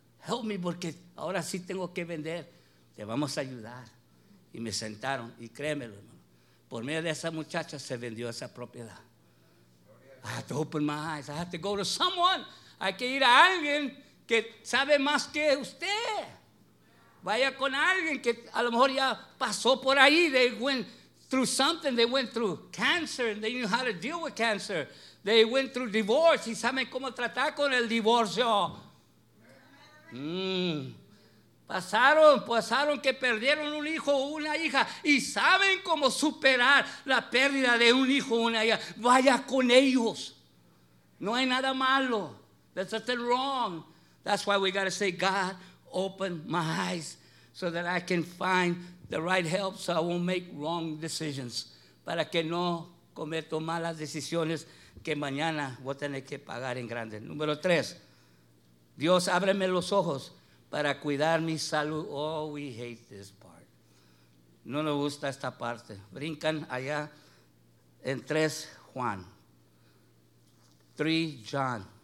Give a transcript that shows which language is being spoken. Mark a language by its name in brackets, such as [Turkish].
[English] Help me, [Spanish] porque ahora sí tengo que vender. Te vamos a ayudar. Y me sentaron. Y créemelo, hermano. Por medio de esa muchacha se vendió esa propiedad. [English] I have to open my eyes. I have to go to someone. [Spanish] Hay que ir a alguien que sabe más que usted. Vaya con alguien que a lo mejor ya pasó por ahí. [English] They went through something, they went through cancer and they knew how to deal with cancer. They went through divorce [Spanish] y saben cómo tratar con el divorcio. Pasaron que perdieron un hijo o una hija y saben cómo superar la pérdida de un hijo o una hija. Vaya con ellos. No hay nada malo. [English] There's nothing wrong. That's why we got to say, God, open my eyes so that I can find the right help, so I won't make wrong decisions. [Spanish] Para que no cometo malas decisiones que mañana voy a tener que pagar en grande. Número tres, Dios, ábreme los ojos para cuidar mi salud. [English] Oh, we hate this part. [Spanish] No nos gusta esta parte. Brincan allá en 3 Juan. 3 John.